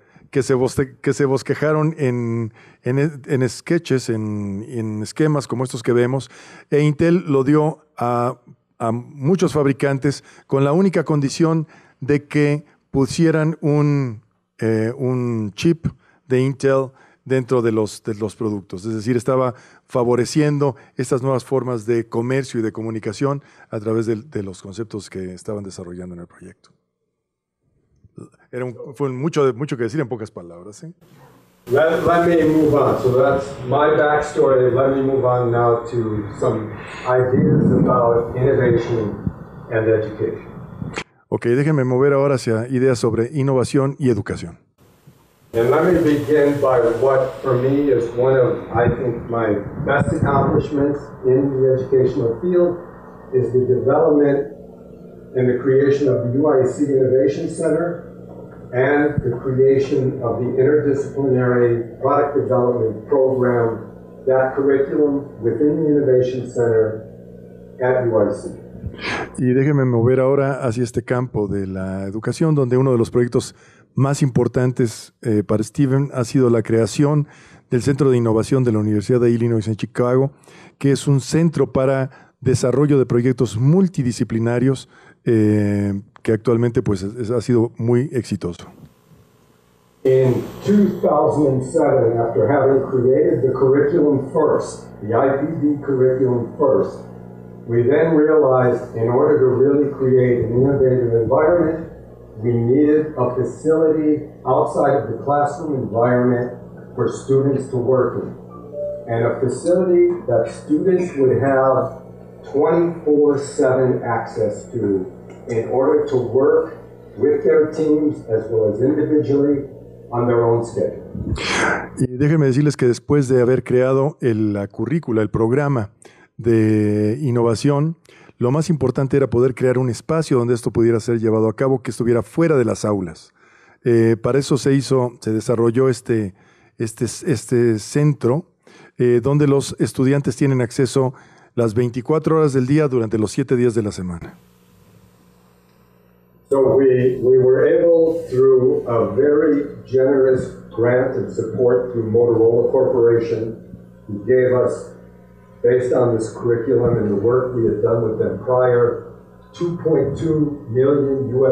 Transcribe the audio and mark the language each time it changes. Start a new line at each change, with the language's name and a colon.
Spanish: que se bosquejaron en sketches, en esquemas como estos que vemos, e Intel lo dio a muchos fabricantes con la única condición de que pusieran un chip de Intel dentro de los productos. Es decir, estaba favoreciendo estas nuevas formas de comercio y de comunicación a través de los conceptos que estaban desarrollando en el proyecto. Fue mucho que decir en pocas palabras. ¿Eh?
English: Let me move on. So that's my backstory. Let me move on now to some ideas about innovation and education.
Spanish: Okay, déjenme mover ahora hacia ideas sobre innovación y educación.
English: And let me begin by what for me is one of, I think, my best accomplishments in the educational field is the development and the creation of the UIC Innovation Center and the creation of the interdisciplinary product development program, that curriculum within the Innovation Center at UIC.
Spanish: Y déjenme mover ahora hacia este campo de la educación, donde uno de los proyectos más importantes para Steven ha sido la creación del Centro de Innovación de la Universidad de Illinois en Chicago, que es un centro para desarrollo de proyectos multidisciplinarios que actualmente pues ha sido muy exitoso.
English: In 2007, after having created the curriculum first, the IPD curriculum first, we then realized in order to really create an innovative environment, we needed a facility outside of the classroom environment for students to work in. And a facility that students would have 24/7 access to in order to work with their teams as well as individually on their own schedule.
Spanish: Y déjenme decirles que después de haber creado la currícula, el programa de innovación, lo más importante era poder crear un espacio donde esto pudiera ser llevado a cabo, que estuviera fuera de las aulas. Para eso se desarrolló este centro, donde los estudiantes tienen acceso las 24 horas del día durante los 7 días de la semana.
English: So we were able through a very generous grant and support through Motorola Corporation, who gave us, based on this curriculum and the work we had done with them prior, $2.2 million